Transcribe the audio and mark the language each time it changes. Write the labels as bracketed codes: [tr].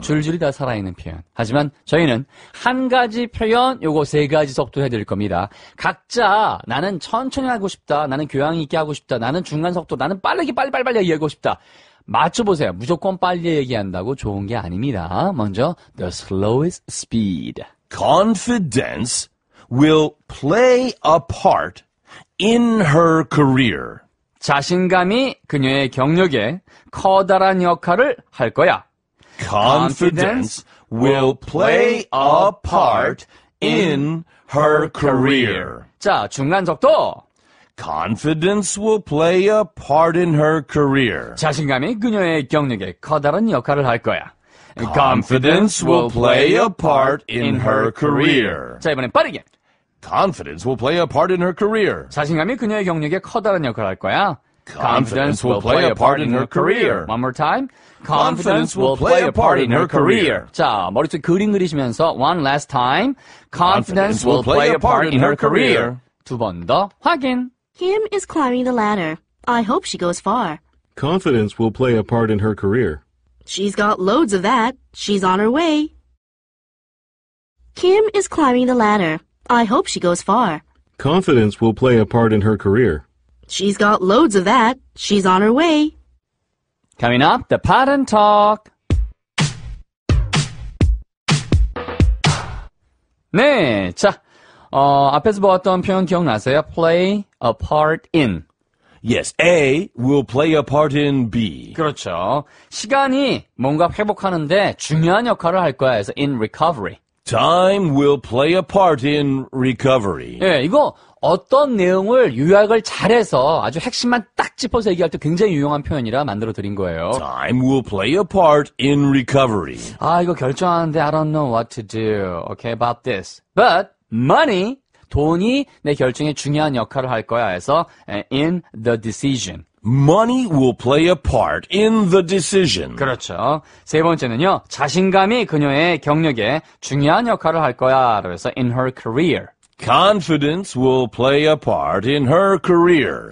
[ko] 줄줄이 다 살아있는 표현. 하지만 저희는 한 가지 표현 요거 세 가지 속도 해드릴 겁니다. 각자 나는 천천히 하고 싶다. 나는 교양 있게 하고 싶다. 나는 중간 속도. 나는 빠르게 빨리빨리 얘기하고 싶다. 맞춰보세요. 무조건 빨리 얘기한다고 좋은 게 아닙니다. 먼저 [en] the slowest speed. Confidence. Will play a part in her career. [ko] 자신감이 그녀의 경력에 커다란 역할을 할 거야. [en] Confidence will play a part in her career. [ko] 자, 중간 속도. [en] Confidence will play a part in her career. [ko] 자신감이 그녀의 경력에 커다란 역할을 할 거야. [en] Confidence will play a part in her career. [ko] 자, 이번엔 빠르게. [en] Confidence will play a part in her career. [ko] 자신감이 그녀의 경력에 커다란 역할을 할 거야. [en] Confidence will play a part in her career. One more time. Confidence will play a part in her career. [ko] 자, 머릿속 그림 그리시면서 [en] one last time. Confidence will play a part in her career. [ko] 두 번 더 확인. [en] Kim is climbing the ladder. I hope she goes far. Confidence will play a part in her career. She's got loads of that. She's on her way. Kim is climbing the ladder. I hope she goes far. Confidence will play a part in her career. She's got loads of that. She's on her way. Coming up, the pattern talk. [ko] 네, 자, 앞에서 보았던 표현 기억나세요? [en] Play a part in. Yes, A will play a part in B. [ko] 그렇죠. 시간이 뭔가 회복하는데 중요한 역할을 할 거야 해서 [en] in recovery. Time will play a part in recovery. [ko] 예, 이거 어떤 내용을 요약을 잘해서 아주 핵심만 딱 짚어서 얘기할 때 굉장히 유용한 표현이라 만들어드린 거예요. [en] Time will play a part in recovery. [ko] 아, 이거 결정하는데 [en] I don't know what to do. Okay, about this. But money, [ko] 돈이 내 결정에 중요한 역할을 할 거야 해서 [en] in the decision. Money will play a part in the decision. [ko] 그렇죠. 세 번째는요. 자신감이 그녀의 경력에 중요한 역할을 할 거야. 그래서 [en] in her career. Confidence will play a part in her career.